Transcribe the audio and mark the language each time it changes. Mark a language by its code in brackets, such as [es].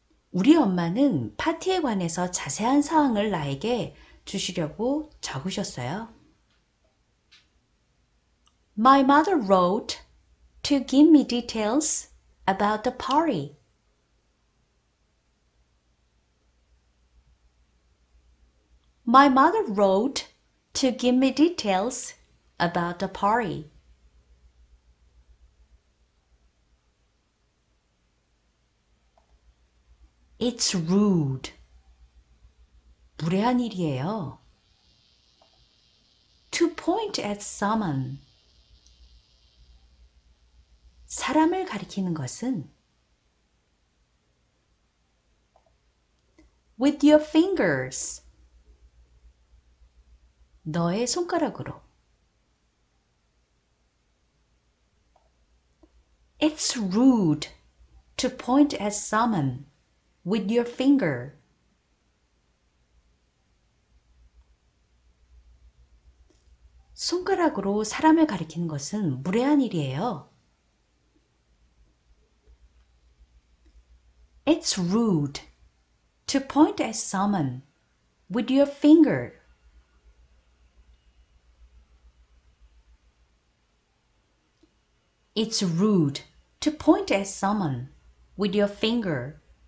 [ko] "우리 엄마는 파티에 관해서 자세한 사항을 나에게 주시려고 적으셨어요." [en] My mother wrote to give me details about the party. 'My mother wrote to give me details about the party.' 'It's rude.' [ko] 무례한 일이에요. [en] 'To point at someone.' [ko] 사람을 가리키는 것은 [en] 'With your fingers.' [ko] 너의 손가락으로. [en] It's rude to point at someone with your finger. [ko] "손가락으로 사람을 가리키는 것은 무례한 일이에요." [en] It's rude to point at someone with your finger. 'It's rude to point at someone with your finger.'